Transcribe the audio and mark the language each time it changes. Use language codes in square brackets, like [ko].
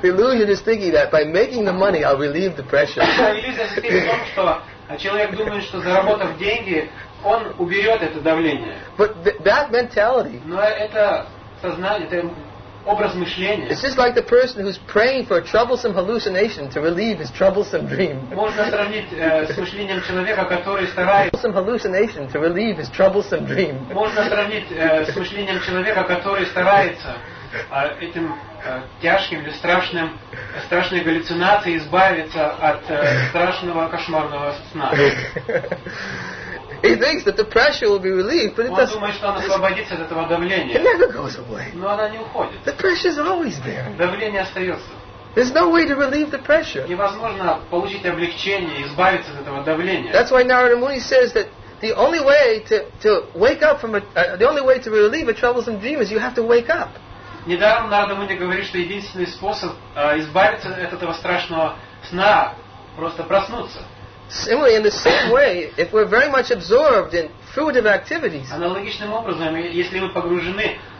[en] The illusion is thinking that by making the money I'll relieve the pressure. [ru] Иллюзия состоит в том, что человек думает, что заработав деньги, он уберет это давление. [en] But that mentality. [ru] Но это сознание, это образ мышления. [en] It's just like the person who's praying for a troublesome hallucination to relieve his troublesome dream. [ru] Можно сравнить с мышлением человека, который старается. [en] Troublesome hallucination to relieve his troublesome dream. [ru] Можно сравнить с мышлением человека, который старается этим тяжким или страшным страшной галлюцинацией избавиться от страшного кошмарного сна. [en] He thinks that the pressure will be relieved, but it doesn't. [ru] Он думает, что он освободится от этого давления. [en] It never goes away. [ru] Но она не уходит. [en] The pressure is always there. [ru] Давление остается. [en] There's no way to relieve the pressure. [ru] Невозможно получить облегчение, избавиться от этого давления. [en] That's why Narada Muni says that the only way to wake up from the only way to relieve a troublesome dream is you have to wake up. [ru] Недаром Нарада Муни говорит, что единственный способ избавиться от этого страшного сна – просто проснуться. [en] Similarly, in the same way, if we're very much absorbed in fruitive activities, [ru] аналогичным образом, если мы погружены